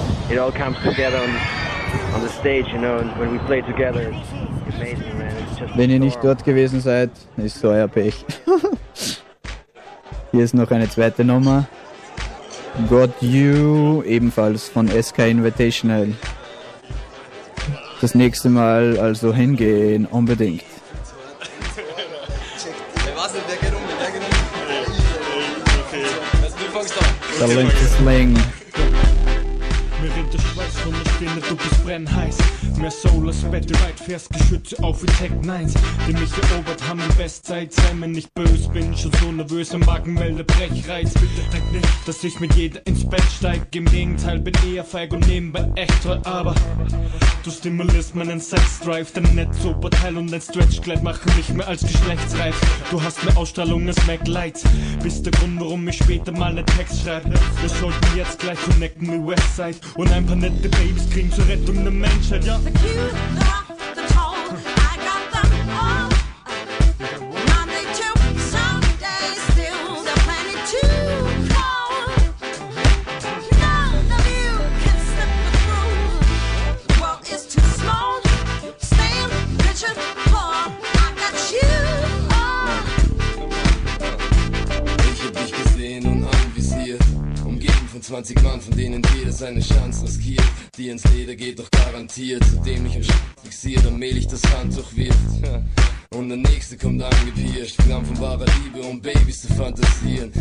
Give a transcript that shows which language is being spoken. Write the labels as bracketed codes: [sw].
[en] It all comes together on the stage, you know, and when we play together, it's amazing, man. It's just [de] wenn ihr nicht dort gewesen seid, ist so euer Pech. Hier ist noch eine zweite Nummer. Got You, ebenfalls von SK Invitational. Das nächste Mal also hingehen, unbedingt. [en] The link is Ling. [de] Mir rinnt der Schweiß von der Stirne, du bist brennheiß. Mehr Soul als Betty Wright, fährst Geschütze auf wie Tech Nines. Die mich erobert haben die Bestzeit. Sei mir nicht böse, bin schon so nervös. Im Magen melde Brechreiz. Bitte denk nicht, dass ich mit jeder ins Bett steig. Im Gegenteil, bin eher feig und nebenbei echt treu. Aber du stimulierst meinen Sexdrive. Dein Netzoberteil und dein Stretchkleid machen mich mehr als geschlechtsreif. Du hast mehr Ausstrahlung als Mac Lights. Bist der Grund, warum ich später mal einen Text schreibe. Wir sollten jetzt gleich connecten die Westside. Und ein paar nette Babys kriegen zur Rettung der Menschheit, ja. [en] The cute, the tall, I got them all. Monday, Tuesday, still, they're plenty to fall. None of you can slip the through. The world is too small. Stan, Richard, Paul, I got you all. [de] Ich hab dich gesehen und anvisiert. Umgeben von 20 Mann, von denen jeder seine Chance riskiert. Die ins Leder geht doch garantiert, zudem ich im Schatten fixiert, allmählich das Handtuch wirft. Und der nächste kommt angepirscht, Klamm von wahrer Liebe, um Babys zu fantasieren.